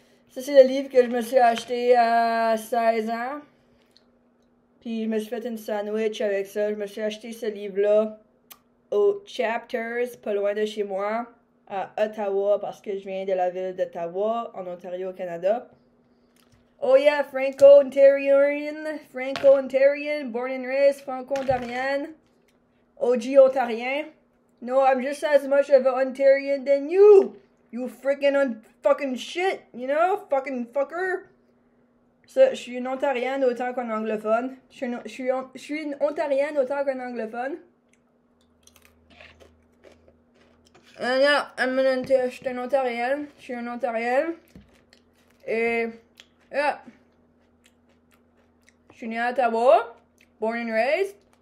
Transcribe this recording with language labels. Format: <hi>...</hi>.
<fr>Ça, c'est le livre que je me suis acheté à 16 ans. Puis je me suis fait une sandwich avec ça. Je me suis acheté ce livre-là au Chapters, pas loin de chez moi, à Ottawa, parce que je viens de la ville d'Ottawa, en Ontario, au Canada.</fr> <en>Oh yeah, Franco-Ontarian, born and raised, Franco-Ontarienne, OG Ontarien. No, I'm just as much of an Ontarian than you! You freaking fucking shit, you know? Fucking fucker!</en> <fr>Je suis une Ontarienne autant qu'un anglophone. Je suis une Ontarienne autant qu'un anglophone. Je suis une Ontarienne. Je suis une Ontarienne. Je suis née à Ottawa.</fr> <en>Born and raised.</en>